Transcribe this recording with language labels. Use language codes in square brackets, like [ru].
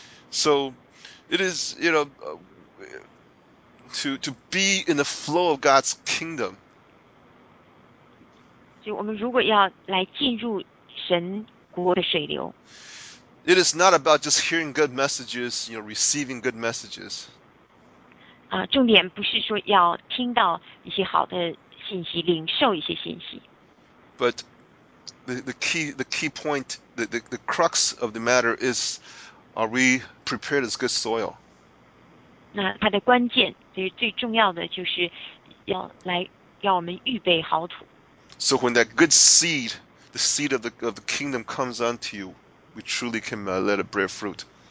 [en] So it is, you know, to be in the flow of God's kingdom. [zh] 就我们如果要来进入神国的水流, [en] it is not about just hearing good messages, you know, receiving good messages. [zh] 重点不是说要听到一些好的信息，领受一些信息。 [en] But the key point, the crux of the matter is, are we prepared as good soil? [zh] 那它的关键，就是最重要的，就是要我们预备好土。 [en] So when that good seed, the seed of the kingdom comes onto you, we truly can let it bear fruit.